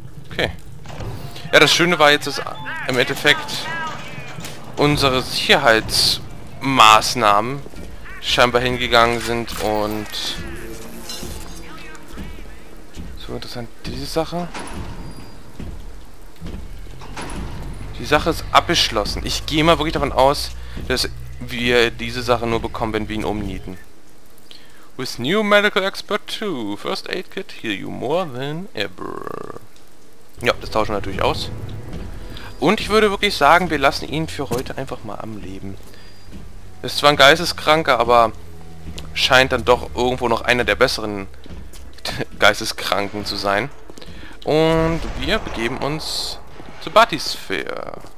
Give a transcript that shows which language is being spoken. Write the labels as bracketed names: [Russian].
[German] Okay. Ja, das Schöne war jetzt, dass im Endeffekt unsere Sicherheitsmaßnahmen scheinbar hingegangen sind und... So interessant, diese Sache. Die Sache ist abgeschlossen. Ich gehe mal wirklich davon aus, dass wir diese Sache nur bekommen, wenn wir ihn umnieten. [English] With new medical expert 2, first aid kit, heal you more than ever. [German] Ja, das tauschen wir natürlich aus. Und ich würde wirklich sagen, wir lassen ihn für heute einfach mal am Leben. Ist zwar ein Geisteskranker, aber scheint dann doch irgendwo noch einer der besseren Geisteskranken zu sein. Und wir begeben uns zur Buddysphere.